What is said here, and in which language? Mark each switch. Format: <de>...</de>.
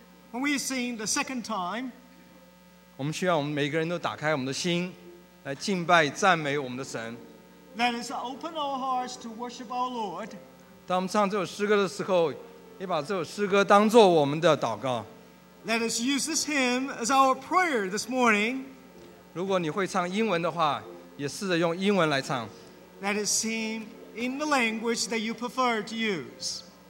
<en>When we sing the second time,</en> <zh>我们需要我们每个人都打开我们的心来敬拜赞美我们的神</zh> <en>Let us open our hearts to worship our Lord.</en> <zh>当我们唱这首诗歌的时候也把这首诗歌当作我们的祷告</zh> <en>Let us use this hymn as our prayer this morning.</en> <zh>如果你会唱英文的话也试着用英文来唱</zh> <en>Let us sing in the language that you prefer to use.</en>